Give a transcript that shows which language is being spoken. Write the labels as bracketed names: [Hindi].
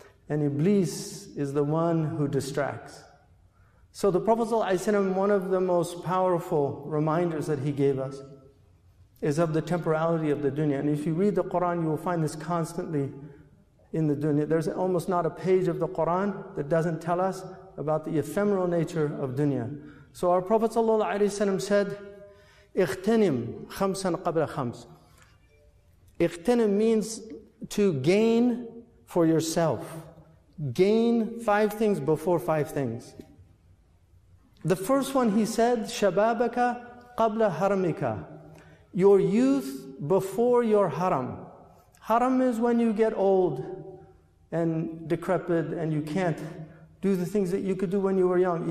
[English] And Iblis is the one who distracts. So the Prophet ﷺ, one of the most powerful reminders that he gave us is of the temporality of the dunya. And if you read the Quran, you will find this constantly in the dunya. There's almost not a page of the Quran that doesn't tell us about the ephemeral nature of dunya. So our Prophet ﷺ said, [Arabic] اِخْتَنِمْ خَمْسًا قَبْلَ خَمْسٍ. [English] اِخْتَنِمْ means to gain for yourself. Gain five things before five things. The first one he said, [Arabic] شَبَابَكَ قَبْلَ هَرَمِكَ. [English] Your youth before your haram. Haram is when you get old and decrepit and you can't do the things that you could do when you were young.